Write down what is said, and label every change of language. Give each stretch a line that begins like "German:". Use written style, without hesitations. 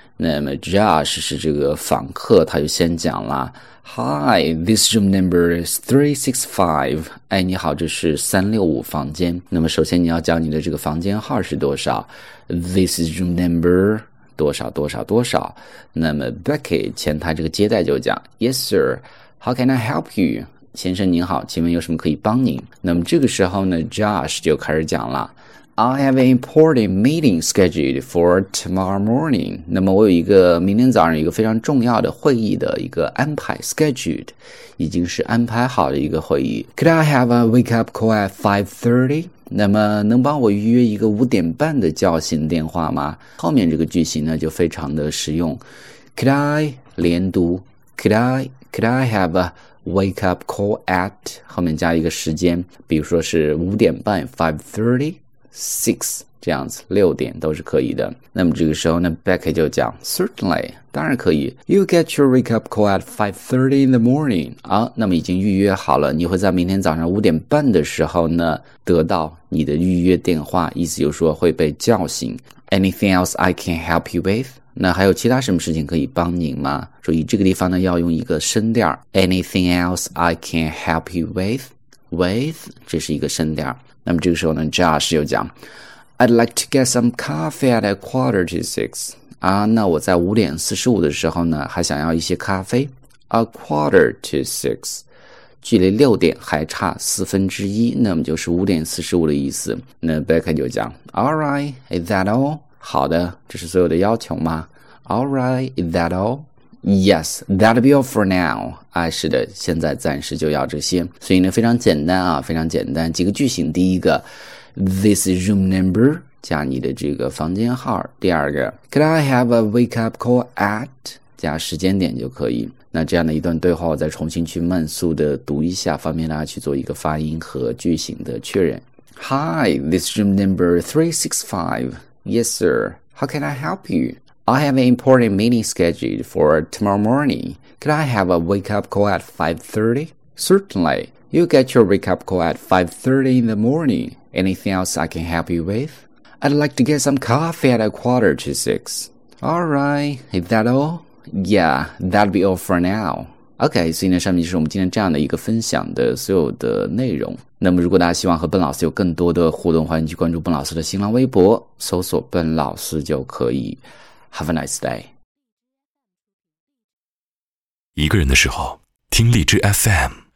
Chinese: 那么 Josh 是这个访客，他就先讲了：
English: “Hi，this room number is 365。
Chinese: 哎，你好，这是365房间。那么首先你要讲你的这个房间号是多少？
English: This is room number
Chinese: 多少多少多少？那么 Becky 前台这个接待就讲：
English: Yes，sir，how can I help you？”
Chinese: 先生您好，请问有什么可以帮您？那么这个时候呢，Josh 就开始讲了：
English: “I have an important meeting scheduled for tomorrow morning。”
Chinese: 那么我有一个明天早上一个非常重要的会议的一个安排，scheduled 已经是安排好的一个会议。
English: Could I have a wake up call at 5:30？
Chinese: 那么能帮我预约一个5:30的叫醒电话吗？后面这个句型呢就非常的实用。
English: Could I 连读？Could I have a wake up call at
Chinese: 后面加一个时间，比如说是5:30 5:30 6这样子，6点都是可以的。那么这个时候呢，Becky 就讲，
English: Certainly，
Chinese: 当然可以。
English: You get your wake up call at 5:30 in the morning。
Chinese: 啊，那么已经预约好了，你会在明天早上5:30的时候呢，得到你的预约电话，意思就是说会被叫醒。
English: Anything else I can help you with？
Chinese: 那还有其他什么事情可以帮您吗？注意这个地方呢，要用一个声调。
English: Anything else I can help you with？
Chinese: 这是一个声调。那么这个时候呢，Josh 又讲：
English: “I'd like to get some coffee at a quarter to six。
Chinese: ”啊，那我在5:45的时候呢，还想要一些咖啡。
English: A quarter to six，
Chinese: 距离6点还差1/4，那么就是5:45的意思。那 Becky 就讲：
English: “All right，is that all？”
Chinese: 好的，这是所有的要求吗？
English: All right, is that all? Yes, that'll be all for now.
Chinese: 啊，是的，现在暂时就要这些。所以呢，非常简单啊，非常简单。几个句型，第一个，
English: this room number
Chinese: 加你的这个房间号；第二个，
English: could I have a wake up call at
Chinese: 加时间点就可以。那这样的一段对话，我再重新去慢速的读一下，方便大家去做一个发音和句型的确认。
English: Hi, this room number 365。 Yes, sir. How can I help you? I have an important meeting scheduled for tomorrow morning. Could I have a wake up call at 5:30? Certainly. You'll get your wake up call at 5:30 in the morning. Anything else I can help you with? I'd like to get some coffee at a quarter to six. All right. Is that all? Yeah, that'll be all for now.
Chinese: OK，所以呢，上面就是我们今天这样的一个分享的所有的内容。那么，如果大家希望和笨老师有更多的互动，欢迎去关注笨老师的新浪微博，搜索"笨老师"就可以。
English: Have a nice day。
Chinese: 一个人的时候，听荔枝 FM。